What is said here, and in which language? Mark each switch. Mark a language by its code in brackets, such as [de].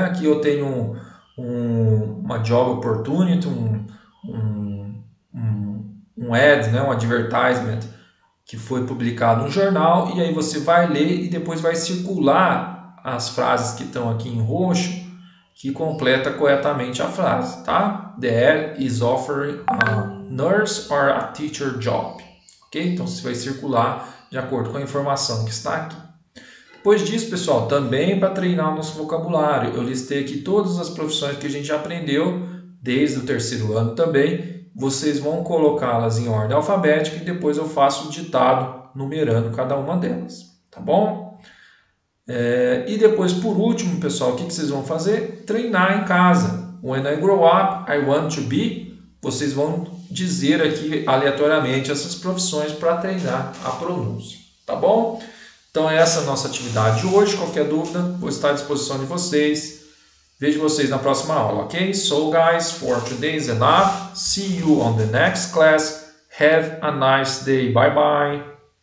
[pt] Aqui eu tenho uma [en] job opportunity, [pt] um ad, né, um advertisement que foi publicado no jornal, e aí você vai ler e depois vai circular as frases que estão aqui em roxo, que completa corretamente a frase, tá? [en] The ad is offering a nurse or a teacher job. Ok? [pt] Então você vai circular de acordo com a informação que está aqui. Depois disso, pessoal, também para treinar o nosso vocabulário, eu listei aqui todas as profissões que a gente aprendeu desde o terceiro ano também. Vocês vão colocá-las em ordem alfabética e depois eu faço o ditado numerando cada uma delas, tá bom? E depois, por último, pessoal, o que vocês vão fazer? Treinar em casa. [en] When I grow up, I want to be. [pt] Vocês vão dizer aqui aleatoriamente essas profissões para treinar a pronúncia, tá bom? Então, essa é a nossa atividade de hoje. Qualquer dúvida, vou estar à disposição de vocês. Vejo vocês na próxima aula, ok? [en] So, guys, for today's enough. See you on the next class. Have a nice day. Bye-bye.